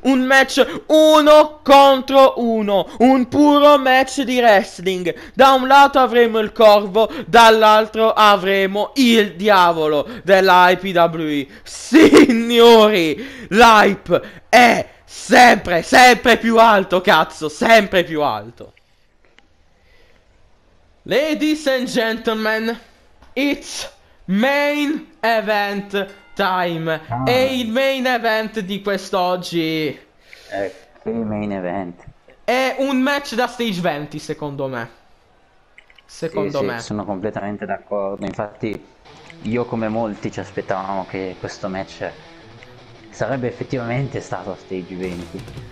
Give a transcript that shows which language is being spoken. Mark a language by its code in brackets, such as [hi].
[it] Un match uno contro uno. Un puro match di wrestling. Da un lato avremo il corvo, dall'altro avremo il diavolo della IPWE. Signori, l'hype è sempre, sempre più alto, cazzo, sempre più alto. [en] Ladies and gentlemen, it's main event time. [it] E il main event di quest'oggi. Ecco, il main event. È un match da stage 20, secondo me. Secondo sì, me. Sì, sono completamente d'accordo. Infatti, io come molti ci aspettavamo che questo match sarebbe effettivamente stato a stage 20.